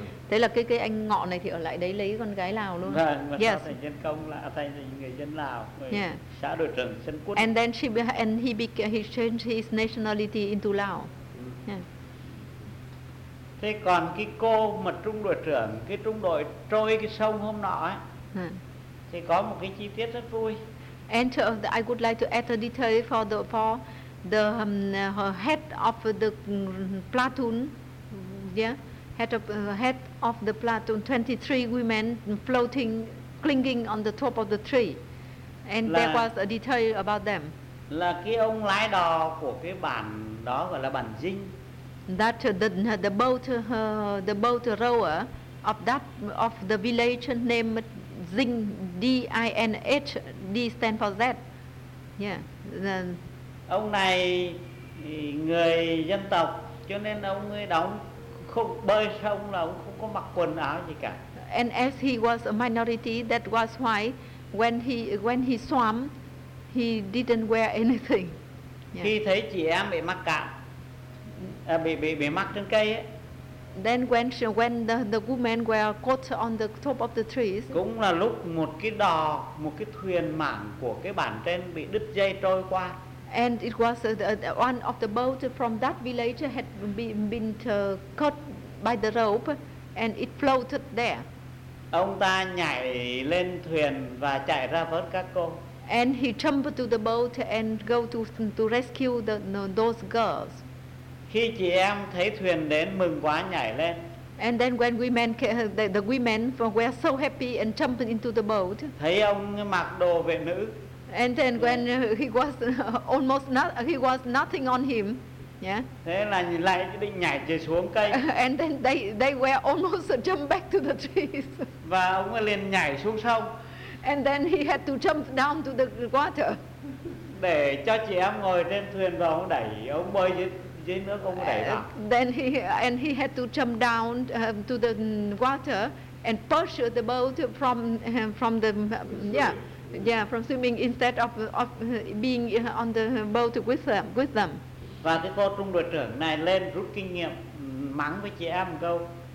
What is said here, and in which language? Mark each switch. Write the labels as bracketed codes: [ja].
[vi] Thế là cái anh ngọ này thì ở lại đấy lấy con gái Lào luôn. Vâng, yes. Thành nhân công là thành người dân Lào. Yeah. Xã đội trưởng dân quốc. [en] And then he changed his nationality into Lao. Yeah. [vi] Thế còn cái cô mà trung đội trưởng, cái trung đội trôi cái sông hôm nọ ấy, thì có một cái chi tiết rất vui. [en] And I would like to add a detail for the head of the platoon, yeah, head of the platoon, 23 women floating, clinging on the top of the tree, and [vi] là, [en] there was a detail about them. [vi] Là cái ông lái đò của cái bản đó gọi là bản Dinh. [en] That the boat rower of the village named Dinh, D-I-N-H, D stand for Z. Yeah. [vi] Ông này người dân tộc, cho nên ông ấy đóng không bơi sông là ông không có mặc quần áo gì cả. [en] And as he was a minority, that was why when he swam, he didn't wear anything. Yeah. [vi] Khi thấy chị em bị mắc cạn, bị mắc trên cây ấy. [en] Then when the women were caught on the top of the trees. [vi] Cũng là lúc một cái đò, một cái thuyền mảng của cái bản trên bị đứt dây trôi qua. [en] And it was one of the boats from that village had been cut by the rope, and it floated there. [vi] Ông ta nhảy lên thuyền và chạy ra vớt các cô. [en] And he jumped to the boat and go to rescue those girls. [vi] Khi chị em thấy thuyền đến mừng quá nhảy lên. [en] And then when the women were so happy and jumped into the boat. [vi] Thấy ông mặc đồ vệ nữ. [en] And then when he was almost not, he was nothing on him. Yeah. [vi] Thế là lại định nhảy chạy xuống cây. [en] And then they were almost jump back to the trees. [vi] Và ông liền nhảy xuống sông. [en] And then he had to jump down to the water. [vi] Để cho chị em ngồi trên thuyền và ông đẩy ông bơi dưới nước ông đẩy vào. [en] Then he had to jump down to the water and push the boat from the from swimming instead of being on the boat with them. [vi] Và cái cô trung đội trưởng này lên rút kinh nghiệm mắng với chị em một câu.